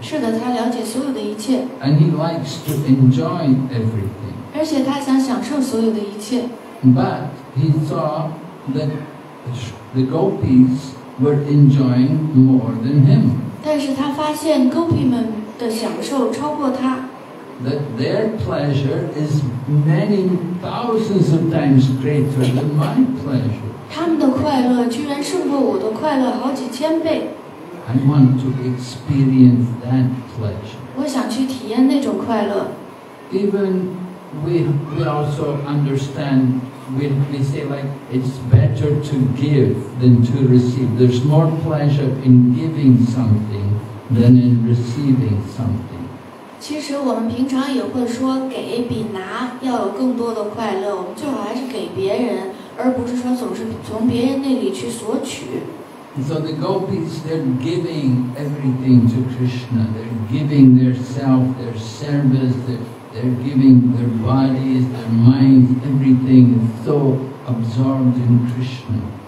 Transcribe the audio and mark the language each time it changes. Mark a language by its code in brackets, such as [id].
[zh] 是的，他了解所有的一切。 [en] And he likes to enjoy everything. [zh] 而且他想享受所有的一切。 [en] But he thought that the gopis were enjoying more than him. [zh] 但是他发现 gopi 们的享受超过他。 [en] That their pleasure is many thousands of times greater than my pleasure. [zh] 他们的快乐居然胜过我的快乐好几千倍。 [en] I want to experience that pleasure. [zh] 我想去体验那种快乐。 [en] Even we also understand, we say like, it's better to give than to receive. There's more pleasure in giving something than in receiving something. [zh] 其实我们平常也会说给比拿要有更多的快乐，我们最好还是给别人，而不是说总是从别人那里去索取。 [en] So the gopis, they're giving everything to Krishna. They're giving their self, their service, they're giving their bodies, their minds, everything is so absorbed in Krishna.